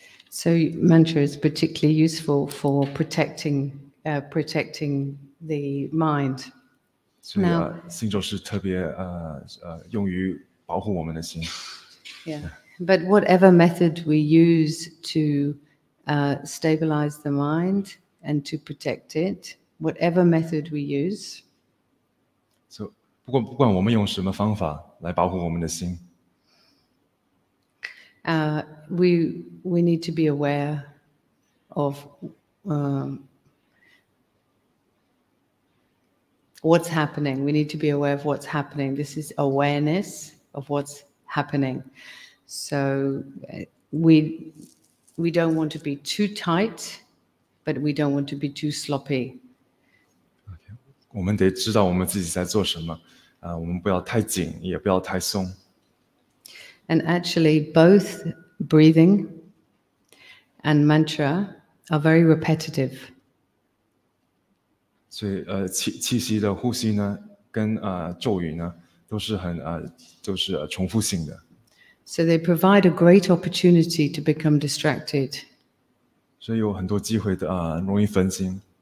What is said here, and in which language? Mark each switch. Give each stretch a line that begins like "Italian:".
English: So mantra is particularly useful for protecting the mind.
Chinese: 所以心咒是特别用于保护我们的心。 Yeah.
English: But whatever method we use to stabilize the mind and to protect it, whatever method we use.
Chinese: So, 不管我们用什么方法来保护我们的心。
English: We need to be aware of what's happening. We need to be aware of what's happening. This is awareness of what's happening. So we don't want to be too tight, but we don't want to be too sloppy. Okay.
Chinese: 我们得知道我们自己在做什么，我们不要太紧，也不要太松。
English: And actually, both breathing and mantra are very repetitive.
Chinese: 所以气息的呼吸呢，跟咒语呢，都是很都是重复性的。
English: So they provide a great opportunity to become distracted.
Chinese: 所以有很多机会的啊，容易分心。